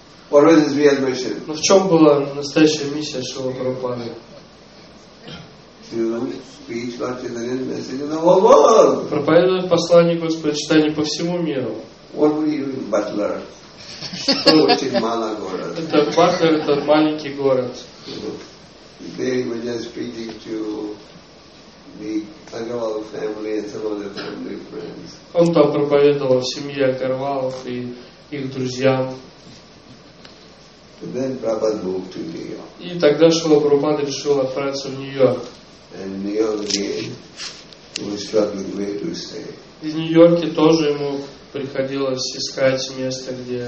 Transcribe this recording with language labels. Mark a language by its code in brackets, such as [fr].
[ru] Но в чем была настоящая миссия Шрила Прабхупады? Проповедовать послание Господа Читания по всему миру. Это Батлер, это маленький город. [en] They were just speaking to the Agarwal family and some of their family friends. [ru] Он там проповедовал семье Агарвалов и их друзьям. [en] And then Prabhupada moved to New York. [ru] И тогда Шрила Прабхупада решил отправиться в Нью-Йорк. [en] And New York again, he was struggling where to stay. [ru] И в Нью-Йорке тоже ему приходилось искать место, где